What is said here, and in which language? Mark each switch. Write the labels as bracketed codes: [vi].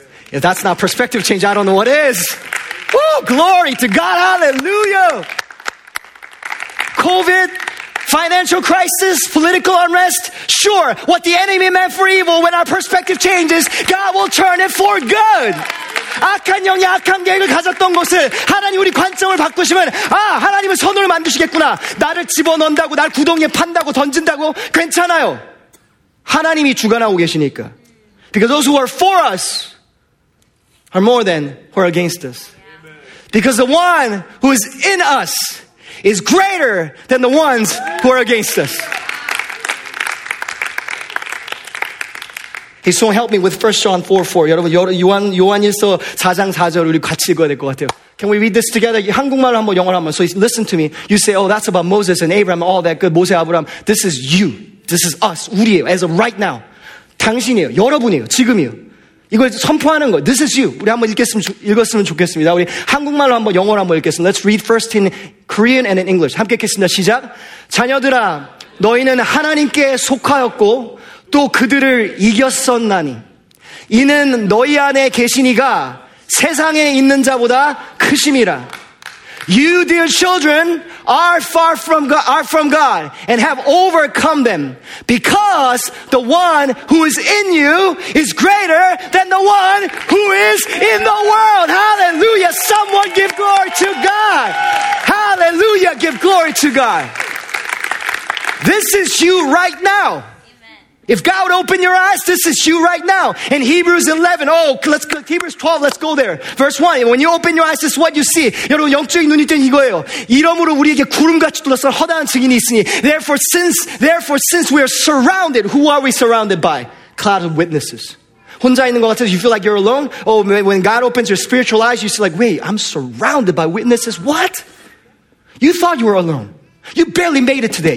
[en] If that's not perspective change, I don't know what is. Woo, glory to God, hallelujah. COVID. Financial crisis, political unrest. Sure, what the enemy meant for evil, when our perspective changes, God will turn it for good. [ko] 악한 영이 악한 계획을 가졌던 것을 하나님 우리 관점을 바꾸시면 아 하나님은 선을 만드시겠구나. 나를 집어넣는다고 날 구덩이에 판다고 던진다고 괜찮아요. 하나님이 주관하고 계시니까. [en] Because those who are for us are more than who are against us. Because the one who is in us is greater than the ones who are against us. He's so help me with 1 John 4:4. [ko] 여러분, 요한일서 4장 4절 우리 같이 읽어야 될 것 같아요. [en] Can we read this together? [ko] 한국말로 한번 영어로 한번. [en] So listen to me. You say, oh, that's about Moses and Abraham, all that good. [ko] 모세, 아브라함. [en] This is you. This is us. [ko] 우리예요. [en] As of right now. [ko] 당신이에요. 여러분이에요. 지금이에요. 이걸 선포하는 거. [en] This is you. [ko] 우리 한번 읽었으면 좋겠습니다. 우리 한국말로 한번 영어로 한번 읽겠습니다. [en] Let's read first in Korean and in English. [ko] 함께 읽겠습니다. 시작. 자녀들아, 너희는 하나님께 속하였고 또 그들을 이겼었나니. 이는 너희 안에 계신 이가 세상에 있는 자보다 크심이라. [en] You, dear children, are from God and have overcome them because the one who is in you is greater than the one who is in the world. Hallelujah. Someone give glory to God. Hallelujah. Give glory to God. This is you right now. If God would open your eyes, this is you right now. In Hebrews 11, Hebrews 12, let's go there. Verse 1, when you open your eyes, this is what you see. [ko] 여러분, 영적인 눈이 뜬 이거예요. 이러므로 우리에게 구름같이 둘러싸 허다한 증인이 있으니. [en] Therefore, since we are surrounded, who are we surrounded by? Cloud of witnesses. [ko] 혼자 있는 것 같아서 [en] you feel like you're alone. Oh, when God opens your spiritual eyes, you see like, wait, I'm surrounded by witnesses. What? You thought you were alone. You barely made it today.